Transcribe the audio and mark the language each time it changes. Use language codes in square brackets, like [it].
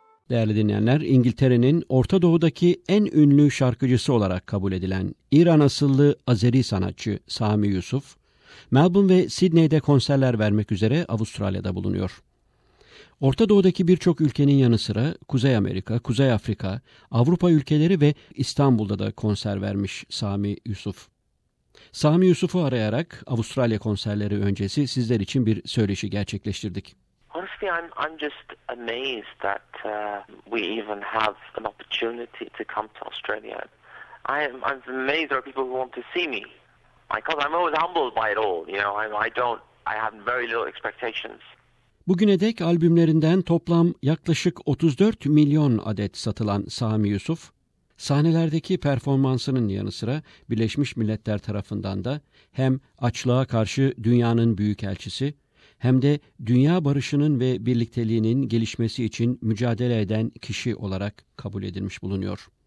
[tr] Değerli dinleyenler, İngiltere'nin Orta Doğu'daki en ünlü şarkıcısı olarak kabul edilen İran asıllı Azeri sanatçı Sami Yusuf, Melbourne ve Sydney'de konserler vermek üzere Avustralya'da bulunuyor. Orta Doğu'daki birçok ülkenin yanı sıra Kuzey Amerika, Kuzey Afrika, Avrupa ülkeleri ve İstanbul'da da konser vermiş Sami Yusuf. Sami Yusuf'u arayarak Avustralya konserleri öncesi sizler için bir söyleşi gerçekleştirdik. [en] Honestly, I'm just amazed that we even have an opportunity to come to Australia. I'm amazed there are people who want to see me. Because I'm always humbled by it all, you know. I have very little expectations. [tr] Bugüne dek albümlerinden toplam yaklaşık 34 milyon adet satılan Sami Yusuf, sahnelerdeki performansının yanı sıra Birleşmiş Milletler tarafından da hem açlığa karşı dünyanın büyükelçisi, hem de dünya barışının ve birlikteliğinin gelişmesi için mücadele eden kişi olarak kabul edilmiş bulunuyor.